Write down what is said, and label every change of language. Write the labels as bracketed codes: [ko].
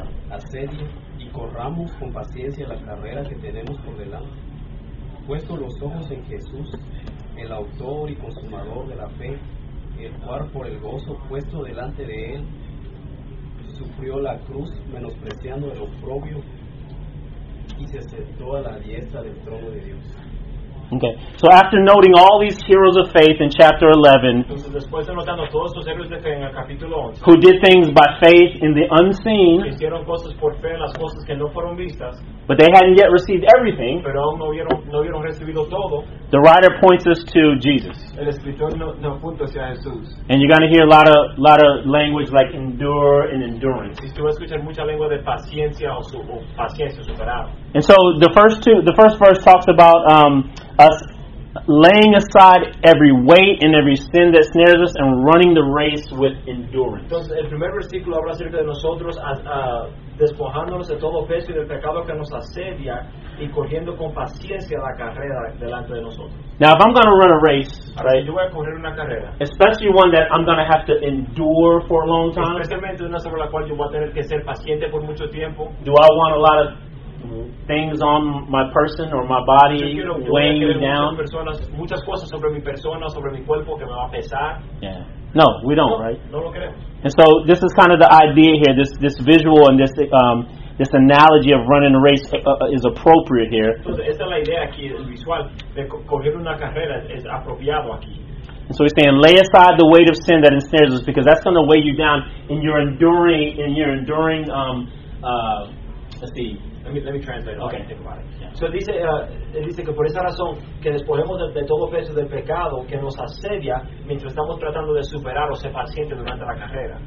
[es] asedia y corramos con paciencia la carrera que tenemos por delante, puesto los ojos en Jesús, el autor y consumador de la fe, el cual por el gozo puesto delante de él sufrió la cruz, menospreciando el oprobio, y se sentó a la diestra del trono de Dios. [en] Okay, so after noting all these heroes of faith in chapter 11, [es] después de notando todos estos héroes de fe en el capítulo 11, [en] who did things by faith in the unseen, [es] que hicieron cosas por fe, las cosas que no fueron vistas, [en] but they hadn't yet received everything, [es] pero aún no hubieron recibido todo, [en] the writer points us to Jesus. [es] El escritor no apunta hacia Jesús. [en] And you're going to hear a lot of language like endure and endurance. [es] Y tú vas a escuchar mucha lengua de paciencia o paciencia superada. [en] And so the first verse talks about us laying aside every weight and every sin that snares us and running the race with endurance. [es] Entonces, el primer versículo habla acerca de nosotros despojándonos de todo peso y del pecado que nos asedia y corriendo con paciencia la carrera delante de nosotros. [en] Now, if I'm going to run a race, right, [es] yo voy a correr una carrera, [en] especially one that I'm going to have to endure for a long time, [es] especialmente una sobre la cual yo voy a tener que ser paciente por mucho tiempo, [en] do I want a lot of things on my person or my body weighing you down? [es] Muchas cosas sobre mi persona, sobre mi cuerpo que me va a pesar. [en] Yeah. No, we don't, right? [es] No lo creemos. [en] And so this is kind of the idea here, this visual and this this analogy of running a race is appropriate here. [es] Entonces, esa es la idea aquí, el visual de coger una carrera es apropiado aquí. [en] And so he's saying, lay aside the weight of sin that ensnares us, because that's going to weigh you down in your enduring, Let me translate. Okay, think about it. Yeah. [es] So dice que por esa razón que despojemos de todo peso del pecado que nos asedia mientras estamos tratando de superar o ser paciente durante la carrera.